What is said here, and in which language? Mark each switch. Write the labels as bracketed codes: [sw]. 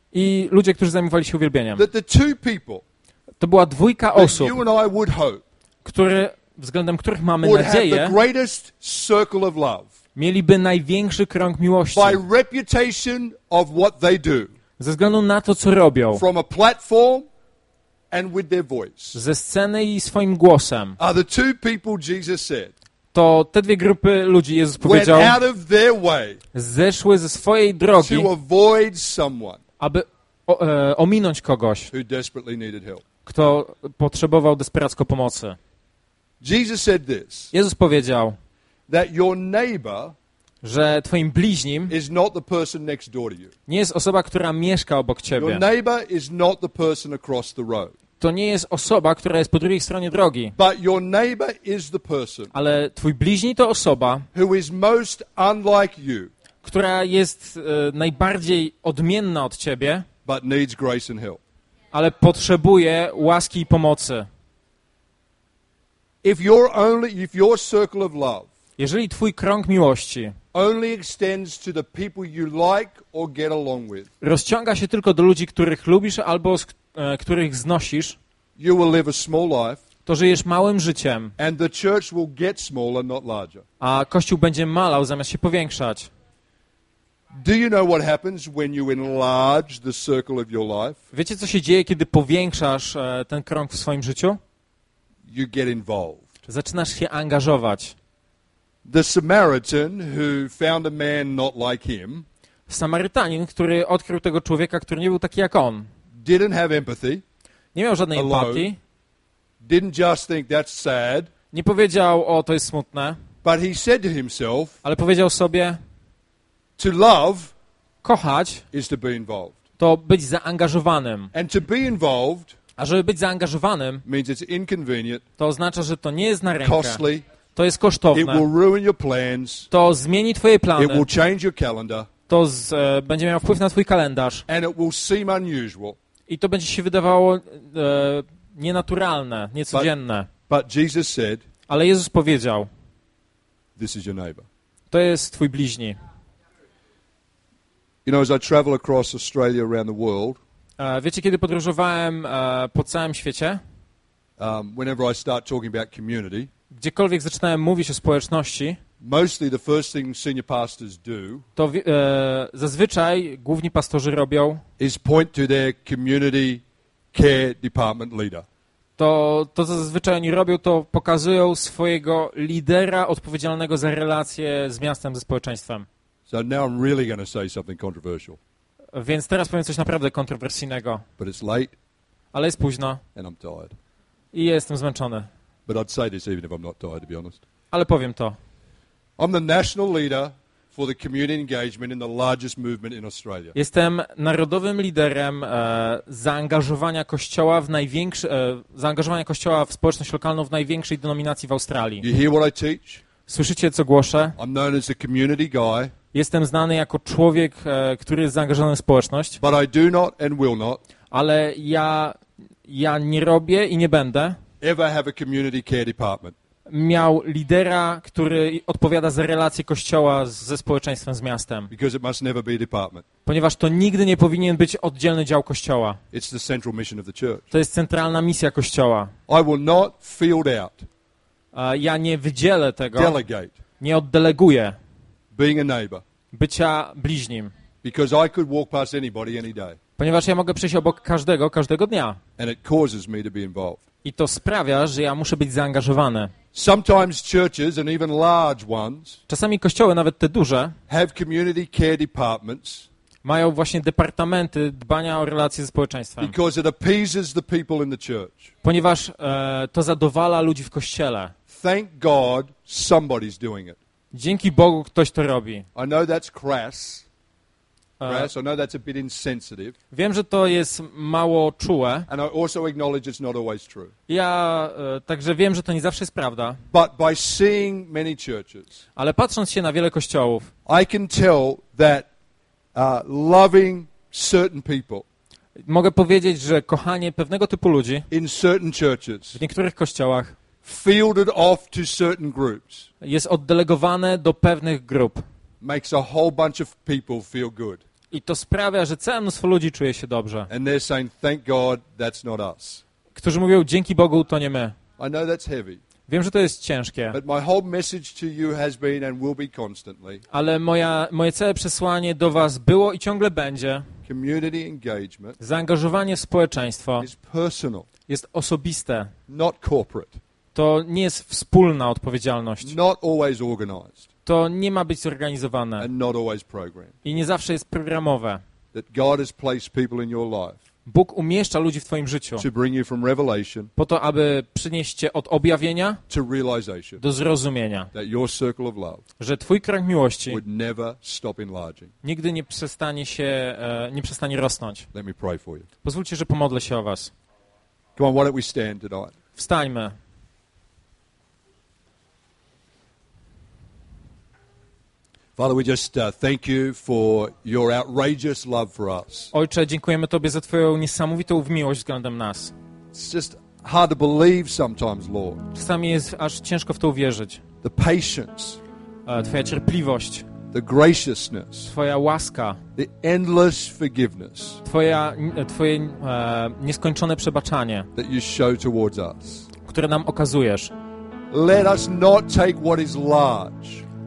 [pl] I ludzie, którzy zajmowali się uwielbieniem. [en] The two people, [pl] to była dwójka osób, [en] you and I would hope, [pl] które, względem których mamy nadzieję, [en] the greatest circle of love, [pl] mieliby największy krąg miłości. [en] By reputation of what they do. [pl] Ze względu na to, co robią. [en] From a platform and with their voice. [pl] Ze sceny i swoim głosem. [en] Are the two people Jesus said, [pl] to te dwie grupy ludzi, Jezus powiedział, [en] went out of their way, [pl] zeszły ze swojej drogi, [en] to avoid someone, [pl] aby ominąć kogoś, [en] who desperately needed help. [pl] Kto potrzebował desperacko pomocy. [en] Jesus said this, [pl] Jezus powiedział, [en] that your neighbor, [pl] że twoim bliźnim [en] is not the person next door to you. [pl] Nie jest osoba, która mieszka obok ciebie. [en] Your neighbor is not the person across the road. [pl] To nie jest osoba, która jest po drugiej stronie drogi. [en] But your neighbor is the person, [pl] ale twój bliźni to osoba, [en] who is most unlike you, [pl] która jest najbardziej odmienna od ciebie, [en] but needs grace and help. [pl] Ale potrzebuje łaski i pomocy. [en] If your circle of love, [pl] jeżeli twój krąg miłości [en] only extends to the people you like or get along with, [pl] rozciąga się tylko do ludzi, których lubisz albo których znosisz, [en] you will live a small life, [pl] to żyjesz małym życiem, [en] and the church will get smaller, not larger. [pl] A Kościół będzie malał zamiast się powiększać. [en] Do you know what happens when you enlarge the circle of your life? [pl] Wiecie, co się dzieje, kiedy powiększasz ten krąg w swoim życiu? [en] You get involved. [pl] Zaczynasz się angażować. [en] The Samaritan who found a man not like him, [pl] Samarytanin, który odkrył tego człowieka, który nie był taki jak on, [en] didn't have empathy, [pl] nie miał żadnej empatii, [en] didn't just think that's sad, [pl] nie powiedział, o, to jest smutne, [en] but he said to himself, [pl] ale powiedział sobie, [en] to love, [pl] kochać, [en] is to be involved, [pl] to być zaangażowanym, [en] and to be involved, [pl] A żeby być zaangażowanym, [en] means it's inconvenient, [pl] to oznacza, że to nie jest na rękę. [en] Costly, [pl] to jest kosztowne. [en] It will ruin your plans, [pl] to zmieni twoje plany. [en] It will change your calendar, [pl] to będzie miało wpływ na twój kalendarz. [en] And it will seem unusual, [pl] i to będzie się wydawało nienaturalne, niecodzienne. [en] But Jesus said, [pl] ale Jezus powiedział, [en] this is your neighbor. [pl] To jest twój bliźni. [en] You know, as I travel across Australia around the world, [pl] wiecie, kiedy podróżowałem po całym świecie, [en] whenever I start talking about community, [pl] gdziekolwiek zaczynałem mówić o społeczności, [en] mostly the first thing senior pastors do, [pl] to zazwyczaj główni pastorzy robią, [en] is point to their community care department leader. [pl] To zazwyczaj oni robią, to pokazują swojego lidera odpowiedzialnego za relacje z miastem, ze społeczeństwem. [en] So now I'm really going to say something controversial. [pl] Więc teraz powiem coś naprawdę kontrowersyjnego. [en] But it's late, [pl] ale jest późno. [en] And I'm tired. [pl] I jestem zmęczony. [en] But I'd say this even if I'm not tired, to be honest. [pl] Ale powiem to. [en] I'm the national leader for the community engagement in the largest movement in Australia. [pl] Jestem narodowym liderem zaangażowania kościoła w zaangażowania kościoła w społeczność lokalną w największej denominacji w Australii. [en] You hear what I teach? [pl] Słyszycie, co głoszę? [en] I'm known as a community guy. [pl] Jestem znany jako człowiek, który jest zaangażowany w społeczność. [en] But I do not and will not. [pl] Ale ja nie robię i nie będę. [en] Ever have a community care department. [pl] Miał lidera, który odpowiada za relacje kościoła ze społeczeństwem, z miastem. [en] Because it must never be a department. [pl] Ponieważ to nigdy nie powinien być oddzielny dział kościoła. [en] It's the central mission of the church. [pl] To jest centralna misja kościoła. [en] I will not field out. [pl] Ja nie wydzielę tego. [en] Delegate. [pl] Nie oddeleguję. [en] Being a neighbor. [pl] Bycia bliźnim. [en] Because I could walk past anybody any day. [pl] Ponieważ ja mogę przejść obok każdego dnia. [en] And it causes me to be involved. [pl] I to sprawia, że ja muszę być zaangażowany. [en] Sometimes churches and even large ones, [pl] czasami kościoły, nawet te duże, [en] have community care departments, [pl] mają właśnie departamenty dbania o relacje ze społeczeństwem. [en] Because it appeases the people in the church. [pl] Ponieważ to zadowala ludzi w kościele. [en] Thank God somebody's doing it. [pl] Dzięki Bogu ktoś to robi. [en] I know that's crass. I know that's a bit insensitive. [pl] Wiem, że to jest mało czułe. [en] And I also acknowledge it's not always true. [pl] Ja także wiem, że to nie zawsze jest prawda. [en] But by seeing many churches, [pl] ale patrząc się na wiele kościołów, [en] I can tell that loving certain people, [pl] mogę powiedzieć, że kochanie pewnego typu ludzi [en] in certain churches, [pl] w niektórych kościołach, [en] fielded off to certain groups, [pl] jest oddelegowane do pewnych grup. [en] Makes a whole bunch of people feel good. [pl] I to sprawia, że całe mnóstwo ludzi czuje się dobrze. [en] And they're saying, thank God, that's not us. [pl] Którzy mówią, dzięki Bogu, to nie my. [en] I know that's heavy. [pl] Wiem, że to jest ciężkie. [en] But my whole message to you has been and will be constantly. [pl] Ale moje całe przesłanie do was było i ciągle będzie. [en] Community engagement. [pl] Zaangażowanie w społeczeństwo. [en] Is personal. [pl] Jest osobiste. [en] Not corporate. [pl] To nie jest wspólna odpowiedzialność. [en] Not always organized. [pl] To nie ma być zorganizowane. [en] And not always programmed. [pl] I nie zawsze jest programowe. [en] That God has placed people in your life. [pl] Bóg umieszcza ludzi w twoim życiu. [en] To bring you from revelation. [pl] Po to, aby przynieść cię od objawienia. [en] To realization. [pl] Do zrozumienia. [en] That your circle of love. [pl] Że twój krąg miłości. [en] Would never stop enlarging. [pl] Nigdy nie przestanie się, nie przestanie rosnąć. [en] Let me pray for you. [pl] Pozwólcie, że pomodlę się o was. [en] Come on, why don't we stand tonight? [pl] Wstańmy. [en] Father, we just thank you for your outrageous love for us. [pl] Ojcze, dziękujemy Tobie za Twoją niesamowitą miłość względem nas. [en] It's just hard to believe sometimes, Lord. [pl] Czasami jest aż ciężko w to uwierzyć. [en] The patience. [pl] Twoja cierpliwość. [en] The graciousness. [pl] Twoja łaska. [en] The endless forgiveness. [pl] Twoje nieskończone przebaczanie. [en] That you show towards us. [pl] Które nam okazujesz. [en] Let us not take what is large.